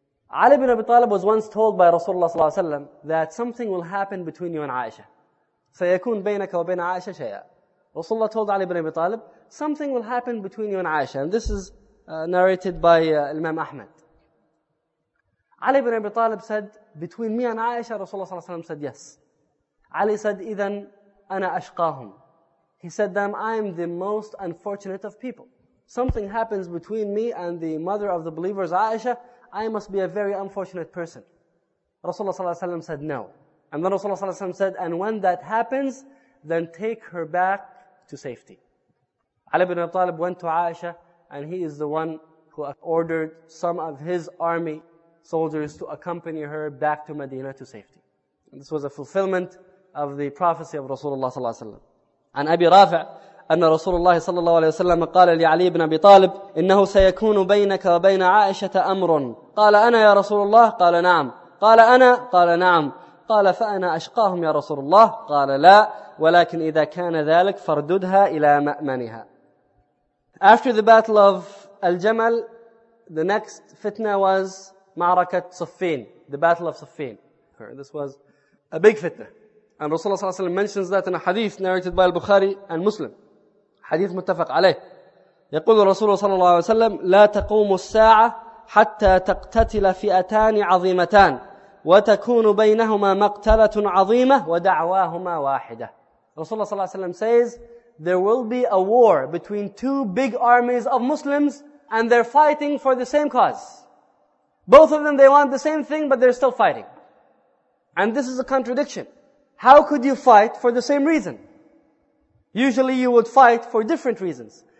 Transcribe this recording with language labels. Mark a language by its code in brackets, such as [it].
[en] Ali ibn Abi Talib was once told by Rasulullah sallallahu alaihi wasallam that something will happen between you and Aisha. [ar] سَيَكُونَ بَيْنَكَ وَبَيْنَ عَائِشَةَ شَيْئًا. [en] Rasulullah told Ali ibn Abi Talib, something will happen between you and Aisha. And this is narrated by Imam Ahmad. Ali ibn Abi Talib said, between me and Aisha, Rasulullah sallallahu alaihi wasallam said, yes. Ali said, [ar] إِذَنْ أَنَا أَشْقَاهُمْ. [en] He said, then I'm the most unfortunate of people. Something happens between me and the mother of the believers, Aisha, I must be a very unfortunate person. Rasulullah sallallahu alaihi wasallam said, no. And then Rasulullah sallallahu alaihi wasallam said, and when that happens, then take her back to safety. Ali ibn Abi Talib went to Aisha, and he is the one who ordered some of his army soldiers to accompany her back to Medina to safety. And this was a fulfillment of the prophecy of Rasulullah sallallahu alaihi wasallam. [ar] And Abi Rafi' أن رسول الله صلى الله عليه وسلم قال لعلي بن أبي طالب إنه سيكون بينك وبين عائشة أمر. قال أنا يا رسول الله؟ قال نعم. قال أنا؟ قال نعم. قال فأنا أشقاهم يا رسول الله؟ قال لا، ولكن إذا كان ذلك فرددها إلى مأمنها. [en] After the battle of Al-Jamal, the next fitna was [ar] معركة صفين. [en] The battle of صفين. This was a big fitna. And Rasulullah صلى الله عليه وسلم mentions that in a hadith narrated by Al-Bukhari and Muslim. [ar] حديث متفق عليه. يقول الرسول صلى الله عليه وسلم لا تقوم الساعة حتى تقتتل فئتان عظيمتان وتكون بينهما مقتلة عظيمة ودعواهما واحدة. [en] رسول الله صلى الله عليه وسلم says there will be a war between two big armies of Muslims and they're fighting for the same cause. Both of them, they want the same thing, but they're still fighting. And this is a contradiction. How could you fight for the same reason? Usually you would fight for different reasons.